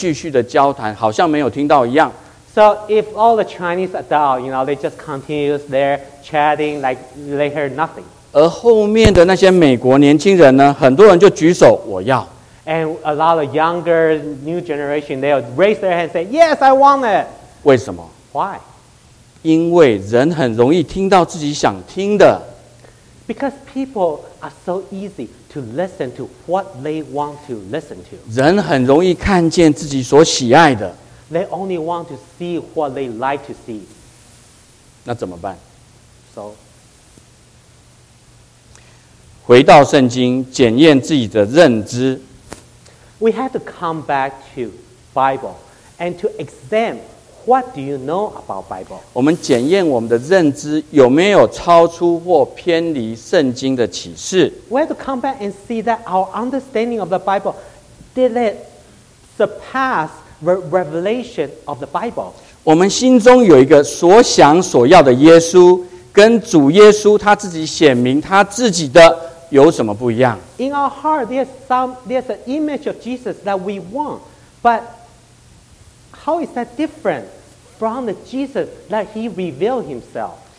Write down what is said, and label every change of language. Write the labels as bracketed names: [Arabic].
[Chinese] 很多的时候，我们这些老中的大人们，我们还是继续的交谈，好像没有听到一样。 [English] So if all the Chinese adults, you know, they just continue their chatting like they heard nothing. [Chinese] 而后面的那些美国年轻人呢，很多人就举手，我要。 [English] And a lot of younger, new generation, they'll raise their hand and say, yes, I want it. [Chinese] 为什么? [English] Why? [Chinese] 因为人很容易听到自己想听的。 [English] Because people are so easy to listen to what they want to listen to. [Chinese] 人很容易看见自己所喜爱的。 [English] They only want to see what they like to see. [Chinese] 那怎么办? [English] So, [Chinese] 回到圣经，检验自己的认知。 [English] We have to come back to Bible and to examine what do you know about Bible. [Chinese] 我们检验我们的认知有没有超出或偏离圣经的启示。 [English] We have to come back and see that our understanding of the Bible, did it surpass the revelation of the Bible? [Chinese] 我们心中有一个所想所要的耶稣跟主耶稣他自己显明他自己的 有什么不一样? [English] In our heart, there's an image of Jesus that we want, but how is that different from the Jesus that He revealed Himself?